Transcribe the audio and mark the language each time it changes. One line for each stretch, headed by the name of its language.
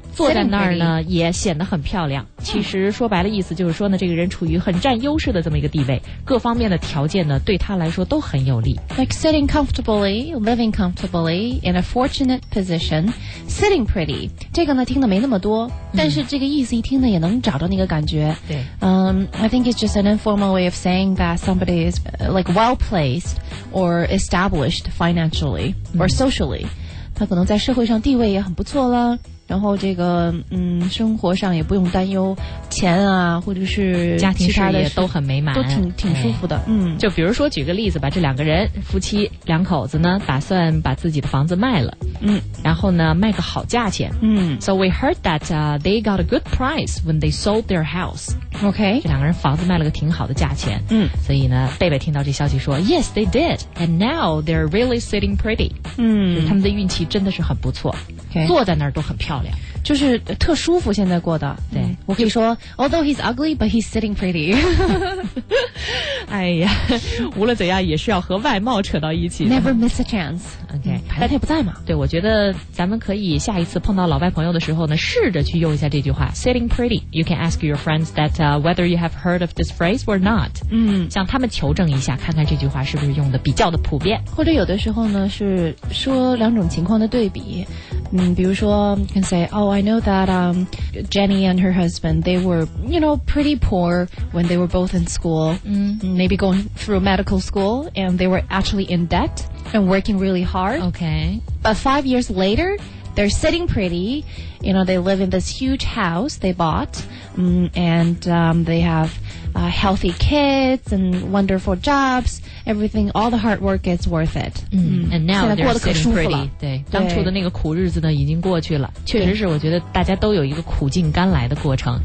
Chinese: 坐在那儿呢，也显得很漂亮。其实说白了，意思就是说呢，这个人处于很占优势的这么一个地位，各方面的条件呢，对他来说都很有利。
English: Like sitting comfortably, living comfortably in a fortunate position, sitting pretty.
Chinese: 这个呢，听的没那么多，但是这个意思一听呢，也能找到那个感觉。对，
English: I think it's just an informal way of saying that somebody is like well placed or established financially or socially.
Chinese: 他可能在社会上地位也很不错了。然后这个生活上也不用担忧钱啊，或者是家庭事业都很美满，都挺舒服的。就比如说举个例子吧，这两个人夫妻两口子呢，打算把自己的房子卖了，然后呢卖个好价钱。
English: So we heard that they got a good price when they sold their house. Okay，
Chinese: 这两个人房子卖了个挺好的价钱。所以呢贝贝听到这消息说
English: Yes they did and now they're really sitting pretty。
Chinese: 他们的运气真的是很不错，坐在那儿都很漂亮，就是特舒服现在过的。对，我可以说
English: although he's ugly but he's sitting pretty。
Chinese: 哎呀，无论怎样也是要和外貌扯到一起，
English: never miss a chance。 okay，
Chinese: 但他也不在嘛。对，我觉得咱们可以下一次碰到老外朋友的时候呢，试着去用一下这句话 sitting pretty。
English: You can ask your friends that whether you have heard of this phrase or not。
Chinese: 向他们求证一下，看看这句话是不是用的比较的普遍。或者有的时候呢是说两种情况的对比，比如说
English: can say oh I know that Jenny and her husband they were you know pretty poor when they were both in school、maybe going through medical school and they were actually in debt and working really hard. Okay, but 5 years laterThey're sitting pretty, you know, they live in this huge house they bought, and they have healthy kids and wonderful jobs, everything, all the hard work is worth it. And now they're sitting pretty.
Chinese: 对，当初的那个苦日子呢已经过去了，确实是我觉得大家都有一个苦尽甘来的过程。